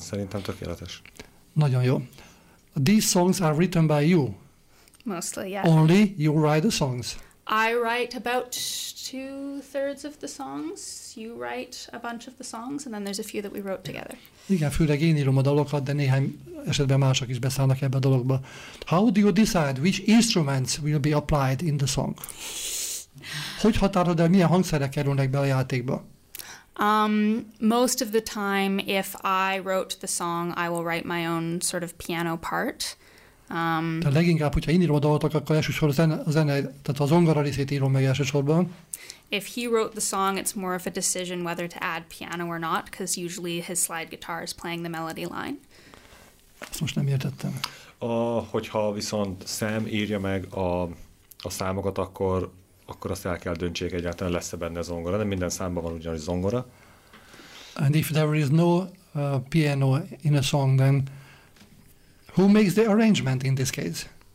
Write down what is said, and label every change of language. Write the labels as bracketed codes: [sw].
[hu] Szerintem tökéletes. Nagyon jó. [en] These songs are written by you? Mostly, yeah. Only you write the songs? I write about 2/3 of the songs. You write a bunch of the songs, and then there's a few that we wrote together. [hu] Igen, főleg én írom a dalokat, de néhány esetben mások is beszállnak ebbe a dologba. [en] How do you decide which instruments will be applied in the song? [hu] Hogy határod el, milyen hangszerek kerülnek be a játékba? [en] Most of the time, if I wrote the song, I will write my own sort of piano part. [hu] De leginkább, hogyha én írom a dalatok, akkor elsősorban a zene, tehát a zongora részét írom meg elsősorban. [en] If he wrote the song, it's more of a decision whether to add piano or not, because usually his slide guitar is playing the melody line. [hu] Ezt most nem értettem. Hogyha viszont Sam írja meg a számokat, akkor azt el kell döntsék, egyáltalán lesz-e benne a zongora. Nem minden számban van ugyanis zongora. [en] And if there is no piano in a song, then who makes the arrangement in this case?